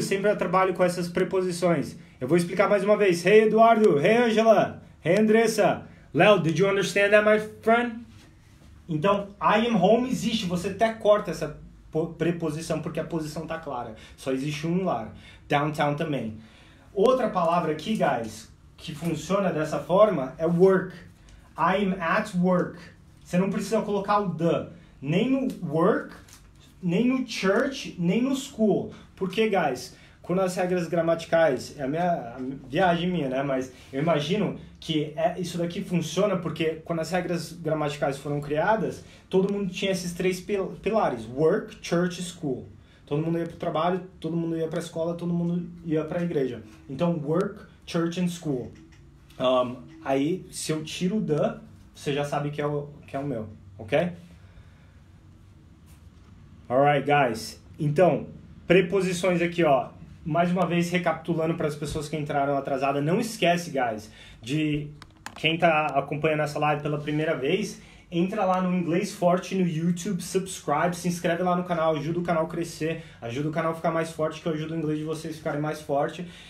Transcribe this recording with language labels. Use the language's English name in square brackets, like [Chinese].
[Portuguese] Sempre eu trabalho com essas preposições. Eu vou explicar mais uma vez. [English] Hey, Eduardo. Hey, Angela. Hey, Andressa. Léo, did you understand that, my friend? [Portuguese] Então, [English] I am home [Portuguese] existe, você até corta essa preposição porque a posição está clara. Só existe um lar. Downtown também. Outra palavra aqui, guys, que funciona dessa forma é work. [English] I am at work. [Portuguese] Você não precisa colocar o the. Nem no work, nem no church, nem no school. Por quê, guys? Quando as regras gramaticais, é a viagem minha, né? Mas eu imagino que isso daqui funciona porque quando as regras gramaticais foram criadas, todo mundo tinha esses três pilares, work, church, school. Todo mundo ia para o trabalho, todo mundo ia para a escola, todo mundo ia para a igreja. Então, work, church and school. Aí, se eu tiro o the, você já sabe que é o meu, ok? [English] Alright, guys. [Portuguese] Então, preposições aqui, ó. Mais uma vez, recapitulando para as pessoas que entraram atrasadas, não esquece, guys, de quem está acompanhando essa live pela primeira vez, entra lá no Inglês Forte no YouTube, subscribe, se inscreve lá no canal, ajuda o canal a crescer, ajuda o canal a ficar mais forte, que eu ajudo o inglês de vocês ficarem mais forte.